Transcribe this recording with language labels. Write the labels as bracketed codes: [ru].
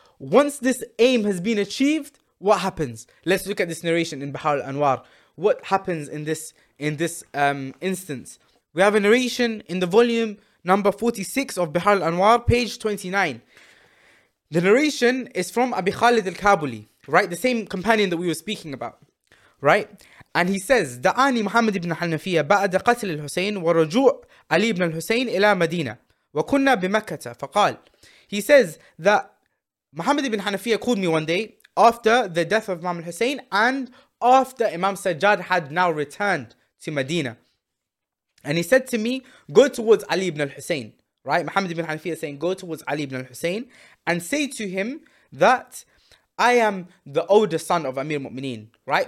[en] Once this aim has been achieved, what happens? Let's look at this narration in Bahar al-Anwar. What happens in this instance? We have a narration in the volume number 46 of Bahar al-Anwar, page 29. The narration is from Abi Khalid al-Kabuli, right? The same companion that we were speaking about. Right? And he says, [ar] دعاني محمد بن حنفية بعد قتل الحسين ورجوع علي بن الحسين إلى مدينة وكنا بمكة فقال. [en] He says that Muhammad ibn Hanafiya called me one day after the death of Imam al-Hussein and after Imam Sajjad had now returned to Medina. And he said to me, go towards Ali ibn al-Hussein. Right? Muhammad ibn Hanafiya saying, go towards Ali ibn al-Hussein and say to him that I am the oldest son of Amir Mu'mineen, right?